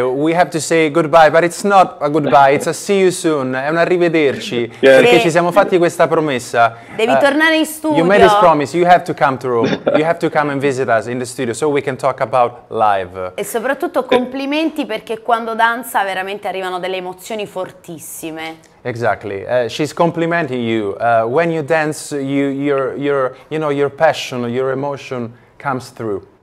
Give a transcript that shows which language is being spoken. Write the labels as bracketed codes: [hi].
[en] We have to say goodbye, but it's not a goodbye, it's a see you soon. [it] È un arrivederci, perché ci siamo fatti questa promessa. Devi tornare in [en] You made this [it] studio. [en] promise, you have to come to Rome. You have to come and visit us in the studio so we can talk about [it] E [en] live. [it] soprattutto complimenti perché quando danza veramente arrivano delle emozioni fortissime. [en] Exactly. She's complimenting you. When you dance, your passion, your emotion comes through.